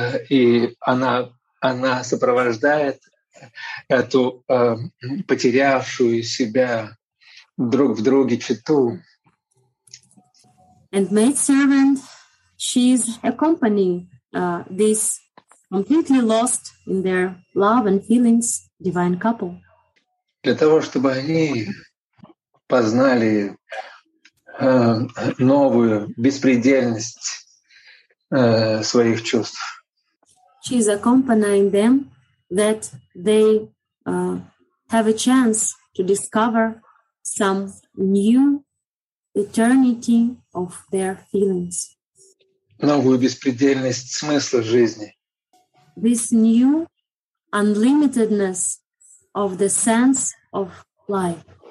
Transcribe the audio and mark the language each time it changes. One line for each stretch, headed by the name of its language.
Russian: И она сопровождает эту потерявшую себя друг в друге читу.
English: And maidservant, she's accompanying this completely lost in their love and feelings divine couple.
Russian: Для того, чтобы они познали новую беспредельность своих чувств.
English: She is accompanying them that they have a chance to discover some new eternity of their feelings.
Russian: Новую беспредельность смысла жизни.
English: This new unlimitedness of the sense of life.